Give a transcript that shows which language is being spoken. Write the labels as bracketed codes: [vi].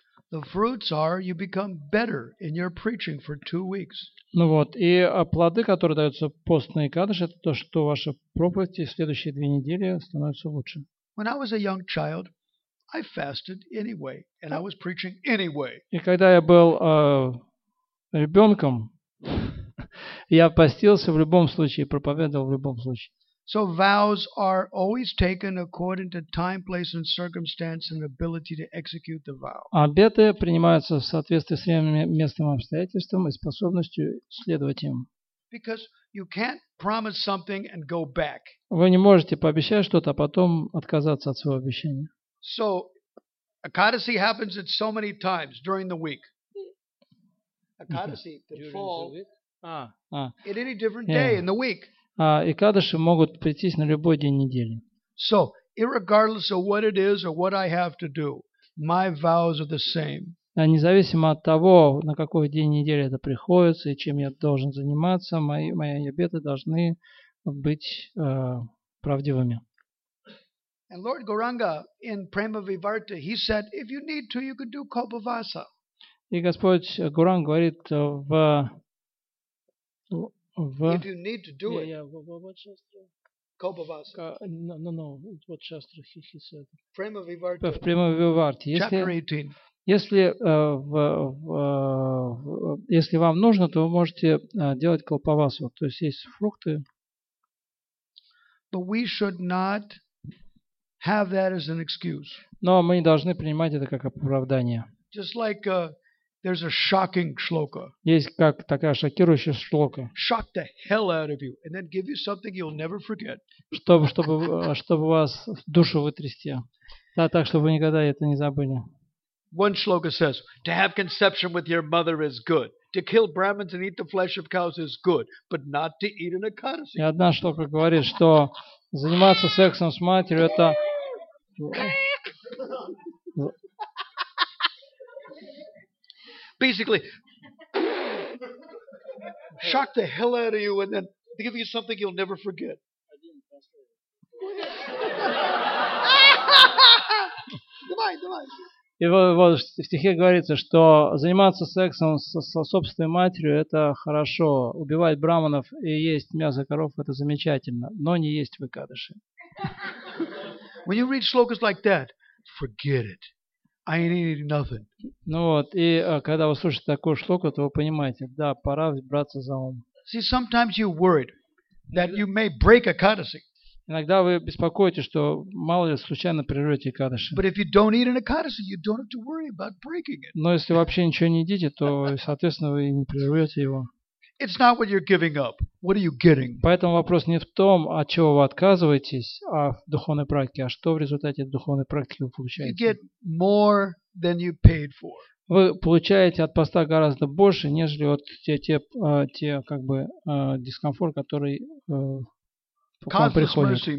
[en] The fruits are you become better in your preaching for 2 weeks. [ru] Ну вот, и плоды, которые даются пост на Экадаши, это то, что ваши проповеди в следующие 2 недели становятся лучше. [en] When I was a young child, I fasted anyway, and I was preaching anyway. [ru] И когда я был ребенком, я постился в любом случае, проповедовал в любом случае. [en] So vows are always taken according to time, place, and circumstance, and ability to execute the vow. [ru] Обеты принимаются в соответствии с временем, местом, обстоятельством и способностью следовать им. [en] Because you can't promise something and go back. [ru] Вы не можете пообещать что-то, а потом отказаться от своего обещания. [en] So, Akadasi happens at so many times during the week. Akadasi, the fall. At any different day in the week. [ru] И кадыши могут прийтись на любой день недели. [en] So, irregardless of what it is or what I have to do, my vows are the same. [ru] Независимо от того, на какой день недели это приходится и чем я должен заниматься, мои обеты должны быть правдивыми. [en] And Lord Gauranga in Prema Vivarta, he said, if you need to, you could do Kalpavasa. [ru] И Господь Гуран говорит в [en] If you need to do it. What shastra? Kalpavasa. No. What shastra he said? Prema Vivarta. [ru] В Prema Vivarta. [en] Chapter 18. [ru] Если вам нужно, то вы можете делать калпавасу. То есть есть фрукты. [en] But we should not have that as an excuse. [ru] Но мы не должны принимать это как оправдание. [en] Just like There's a shocking shloka. [ru] Есть как такая шокирующая шлока. [en] Shock the hell out of you, and then give you something you'll never forget. [ru] Чтобы вас душу вытрясти, да, так чтобы вы никогда это не забыли. [en] One shloka says, "To have conception with your mother is good. To kill Brahmins and eat the flesh of cows is good, but not to eat an Akadasi." [ru] И одна шлока говорит, что заниматься сексом с матерью это. [en] Basically, shock the hell out of you and then give you something you'll never forget. [ru] Давай. И вот в стихе говорится, что заниматься сексом со собственной матерью – это хорошо. Убивать браманов и есть мясо коров – это замечательно, но не есть в Экадаши. [en] When you read shlokas like that, forget it. I need nothing. [ru] Ну вот, и когда вы слушаете такую штуку, то вы понимаете, да, пора браться за ум. [en] See, sometimes you're worried that you may break a Akadasi. [ru] Иногда вы беспокоитесь, что мало ли случайно прервете Акадаши. [en] But if you don't eat an Akadasi, you don't have to worry about breaking it. [ru] Но если вообще ничего не едите, то, соответственно, вы и не прервете его. [en] It's not what you're giving up. What are you getting? [ru] Поэтому вопрос не в том, от чего вы отказываетесь, а в духовной практике, а что в результате духовной практики вы получаете. [en] You get more than you paid for. [ru] Вы получаете от поста гораздо больше, нежели вот те как бы дискомфорт, который к вам приходит.